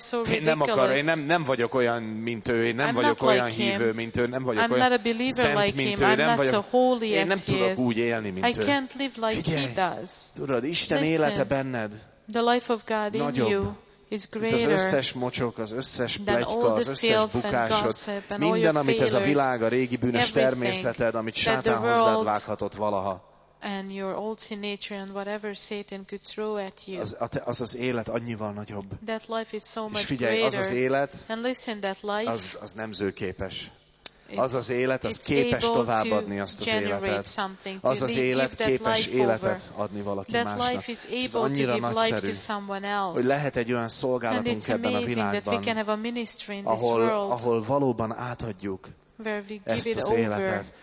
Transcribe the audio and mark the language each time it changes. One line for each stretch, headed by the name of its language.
Hungarian: Én nem vagyok olyan, mint ő, én nem vagyok olyan hívő, mint ő, nem vagyok olyan szent, mint ő, nem vagyok, én nem tudok úgy élni, mint ő. Figyelj, tudod, Isten élete benned nagyobb.
English: Is greater
Hungarian: az összes mocsok, az összes pletyka, az összes bukásod, minden, amit
English: failures,
Hungarian: ez a világ, a régi bűnös természeted, amit Sátán hozzád vághatott valaha.
English: And your old sin nature and whatever Satan could throw at you.
Hungarian: Az élet annyival nagyobb.
English: That life is so much
Hungarian: és figyelj,
English: greater.
Hungarian: És az élet,
English: and listen, that life,
Hungarian: az nemzőképes. Az az élet, az képes továbbadni azt az életet. Az az élet képes életet adni valaki másnak. És ez annyira nagyszerű, hogy lehet egy olyan szolgálatunk ebben a világban, ahol valóban átadjuk ezt az életet.